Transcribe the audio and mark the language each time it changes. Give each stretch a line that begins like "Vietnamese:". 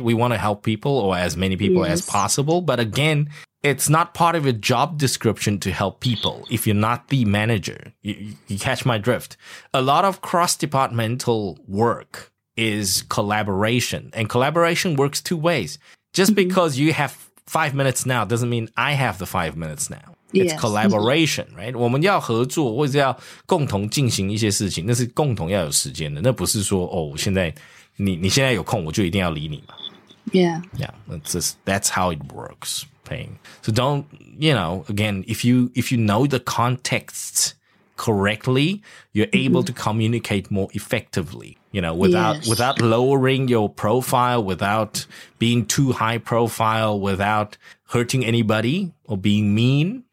English: We want to help people or as many people as possible. But again, it's not part of your job description to help people if you're not the manager. You catch my drift. A lot of cross-departmental work is collaboration. And collaboration works two ways. Just because you have 5 minutes now doesn't mean I have the 5 minutes now. It's collaboration, right?
Chinese: 我们要合作或者要共同进行一些事情，那是共同要有时间的。那不是说哦，现在你现在有空，我就一定要理你嘛。
English: Yeah, that's how it works, Pain. So don't, you know, again, if you know the context correctly, you're able to communicate more effectively. You know, without lowering your profile, without being too high profile, without hurting anybody or being mean.